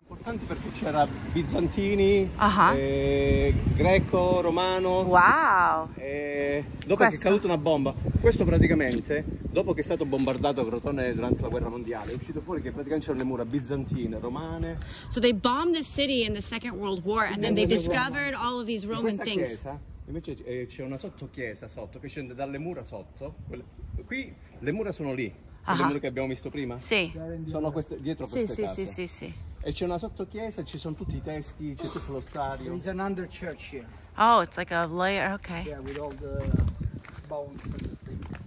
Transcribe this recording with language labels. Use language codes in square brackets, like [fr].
[it] Importante perché c'era bizantini, uh-huh. Greco, romano. [en] Wow. [it] Dopo che è caduta una bomba. Questo praticamente, dopo che è stato bombardato a Crotone durante la guerra mondiale, è uscito fuori che praticamente c'erano le mura bizantine, romane. [en] So they bombed the city in the Second World War and then they discovered all of these Roman things. [it] Questa chiesa, invece c'è una sottochiesa sotto che scende dalle mura sotto. Qui le mura sono lì. Uh-huh. Le mura che abbiamo visto prima? Sì. Sono queste, dietro queste sì, case. Sì, sì, sì, sì. E c'è una sottochiesa, ci sono tutti I teschi, c'è tutto l'ossario. [en] There's an under church here. Oh, it's like a layer, okay. Yeah, with all the bones and the things.